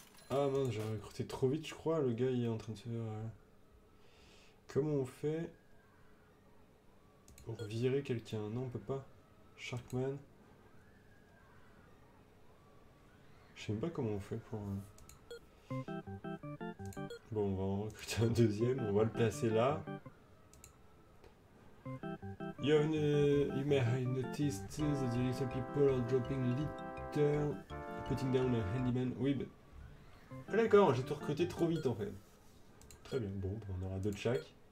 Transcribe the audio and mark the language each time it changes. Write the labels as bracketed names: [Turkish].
[French] Ah mince, j'ai recruté trop vite, je crois. Le gars il est en train de se faire. Comment on fait pour virer quelqu'un? Non, on peut pas. Sharkman. Je sais même pas comment on fait pour... Bon, on va en recruter un deuxième, on va le placer là. [English] You may have noticed that the little people are dropping litter, putting down a handyman. [French] Oui, mais... Ah d'accord, j'ai tout recruté trop vite en fait. Très bien, bon, on aura deux de chaque.